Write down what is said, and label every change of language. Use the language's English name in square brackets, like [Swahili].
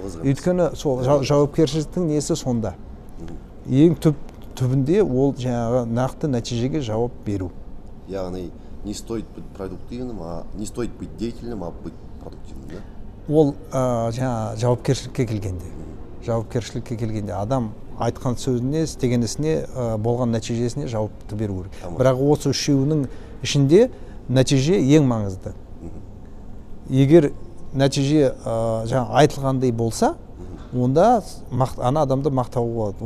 [Kazakh] Өйткені сол жауапкершіліктің несі сонда. Ең түбінде ол жаңағы нақты нәтижеге жауап беру. [Russian] Яғни не стоит быть продуктивным, а не стоит быть деятельным, а быть продуктивным, да? [Kazakh] Ол жауапкершілікке келгенде. Жауапкершілікке келгенде адам айтқан сөзіне, істеген ісіне болған нәтижесіне жауапты беру керек. Бірақ осы үшеуінің ішінде нәтиже ең маңызды. Егер нәтиже жаңа айтылғандай болса, онда ана адамды мақтауға болады.